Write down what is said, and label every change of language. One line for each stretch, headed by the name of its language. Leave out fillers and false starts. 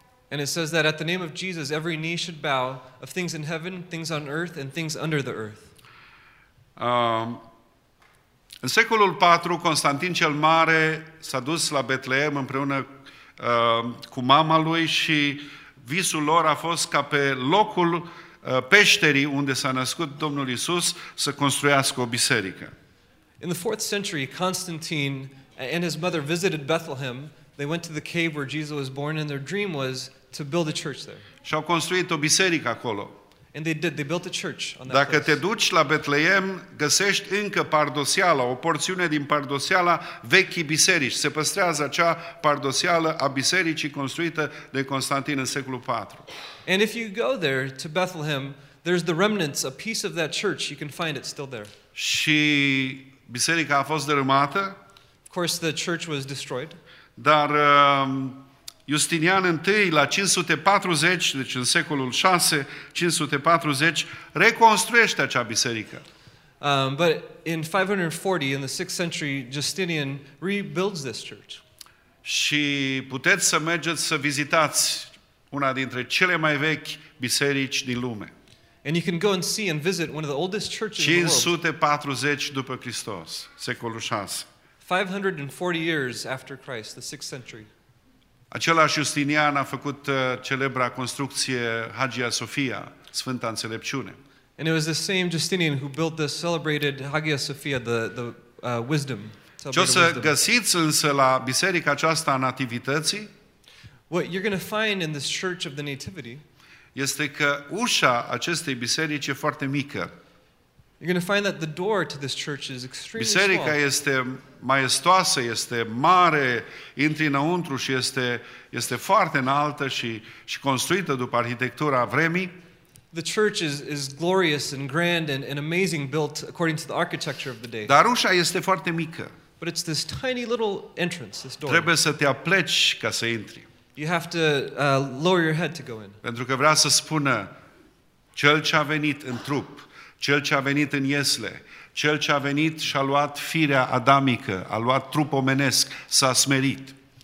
English: And it says that at the name of Jesus every knee should bow of things in heaven, things on earth and things under the earth.
Romanian: În secolul 4, Constantin cel Mare s-a dus la Betleem împreună cu mama lui și visul lor a fost ca pe locul peșterii unde s-a născut Domnul Iisus să construiască o biserică.
English: In the 4th century, Constantine and his mother visited Bethlehem. They went to the cave where Jesus was born and their dream was to build a church there.
Romanian: Și au construit o biserică acolo.
English: And they did. They built a church on that place.
Romanian: Dacă te duci la Betleem, găsești încă pardoseala, o porțiune din pardoseala vechii biserici. Se păstrează acea pardoseală a bisericii construită de Constantin în secolul 4.
English: And if you go there to Bethlehem, there's the remnants, a piece of that church. You can find it still there.
Romanian: Și biserica a fost dărâmată.
English: Of course, the church was destroyed.
Romanian: Dar Justinian I, la 540, deci în secolul 6, 540, reconstruiește acea biserică.
English: But in 540, in the 6th century, Justinian rebuilds this church.
Romanian: Și puteți să mergeți să vizitați una dintre cele mai vechi biserici din lume.
English: And you can go and see and visit one of the oldest churches in the world.
Romanian: 540 după Hristos, secolul 6.
English: 540 years after Christ, the 6th century.
Romanian: Același Justinian a făcut celebra construcție Hagia Sophia, Sfânta Înțelepciune.
English: And it was the same Justinian who built the celebrated Hagia Sophia, the wisdom.
Romanian: Ce o să găsiți însă la biserica aceasta a Nativității?
English: What you're going to find in this church of the Nativity
Romanian: este că ușa acestei biserici e foarte mică.
English: You're going to find that the door to this church is extremely
Romanian: biserica
English: small.
Romanian: Este maestoasă, este mare, intri înăuntru și este foarte înaltă și construită după arhitectura vremii.
English: The church is glorious and grand and amazing, built according to the architecture of the day.
Romanian: Dar ușa este foarte mică.
English: But it's this tiny little entrance, this door.
Romanian: Trebuie să te apleci ca să intri.
English: You have to lower your head to go in.
Romanian: Pentru că vrea să spună cel ce a venit în trup, cel ce a venit în iesle, cel ce a venit și a luat firea adamică, a luat trup omenesc, s-a smerit.